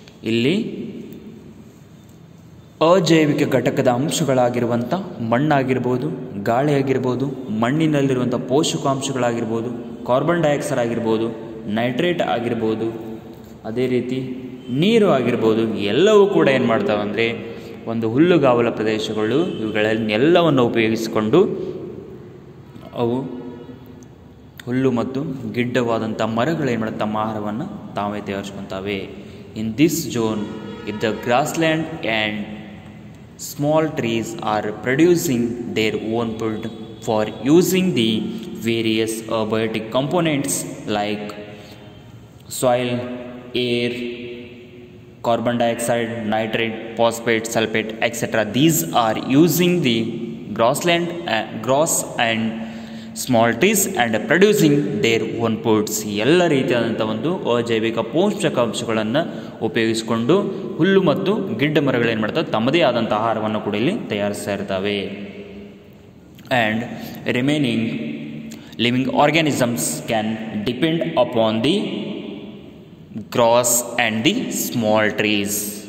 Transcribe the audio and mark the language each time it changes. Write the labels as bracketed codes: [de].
[kn] Illi ಅಜೈವಿಕ ಘಟಕದ ಅಂಶಗಳಾಗಿರುವಂಥ ಮಣ್ಣಾಗಿರ್ಬೋದು, ಗಾಳಿ ಆಗಿರ್ಬೋದು, ಮಣ್ಣಿನಲ್ಲಿರುವಂಥ ಪೋಷಕಾಂಶಗಳಾಗಿರ್ಬೋದು, ಕಾರ್ಬನ್ ಡೈಆಕ್ಸೈಡ್ ಆಗಿರ್ಬೋದು, ನೈಟ್ರೇಟ್ ಆಗಿರ್ಬೋದು, ಅದೇ ರೀತಿ ನೀರು ಆಗಿರ್ಬೋದು, ಎಲ್ಲವೂ ಕೂಡ ಏನು ಮಾಡ್ತಾವಂದರೆ ಒಂದು ಹುಲ್ಲುಗಾವಲ ಪ್ರದೇಶಗಳು ಇವುಗಳನ್ನೆಲ್ಲವನ್ನು ಉಪಯೋಗಿಸಿಕೊಂಡು ಅವು ಹುಲ್ಲು ಮತ್ತು ಗಿಡ್ಡವಾದಂಥ ಮರಗಳೇನು ಮಾಡಿ ತಮ್ಮ ಆಹಾರವನ್ನು ತಾವೇ ತಯಾರಿಸ್ಕೊತಾವೆ. [en] In this zone if the grassland and small trees are producing their own food for using the various abiotic components like soil, air, carbon dioxide, nitrate, phosphate, sulfate, etc. These are using the grassland, grass and small trees and producing their own foods. [kn] ಎಲ್ಲ ರೀತಿಯಾದಂಥ ಒಂದು ಅಜೈವಿಕ ಪೋಷಕಾಂಶಗಳನ್ನು ಉಪಯೋಗಿಸಿಕೊಂಡು ಹುಲ್ಲು ಮತ್ತು ಗಿಡ್ಡ ಮರಗಳು ಏನು ಮಾಡ್ತವೆ, ತಮ್ಮದೇ ಆದಂಥ ಆಹಾರವನ್ನು ಕೂಡ ಇಲ್ಲಿ ತಯಾರಿಸ್ತಾ ಇರ್ತವೆ. [en] And remaining living organisms can depend upon the grass and the small trees.